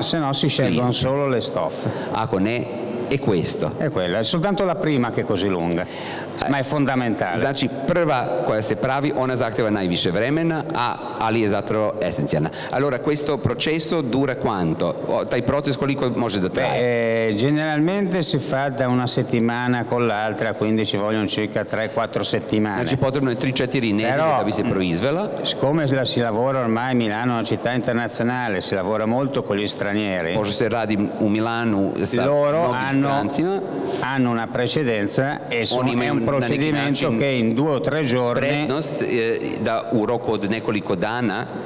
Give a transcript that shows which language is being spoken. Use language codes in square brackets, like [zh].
[it] Se no si scegliono solo le stoffe. [sr] Ako ne, [it] è questo. È quella, è soltanto la prima che è così lunga, ma è fondamentale. [sr] Znači, prva koja se pravi, ona zahtjeva najviše vremena, ali je zapravo esencijalna. [it] Allora, questo processo dura quanto? [sr] Taj proces koliko može da traje? [it] Generalmente si fa da una settimana con l'altra, quindi ci vogliono circa 3-4 settimane. [sr] Znači, potrebno je 3-4 nedelje da bi se proizvela. [it] Siccome la si lavora ormai a Milano, una città internazionale, si lavora molto con gli stranieri. [sr] Pošto se radi u Milanu sa [it] loro hanno una precedenza e è un procedimento che in due o tre giorni [sr] prednost, da u roku od nekoliko dana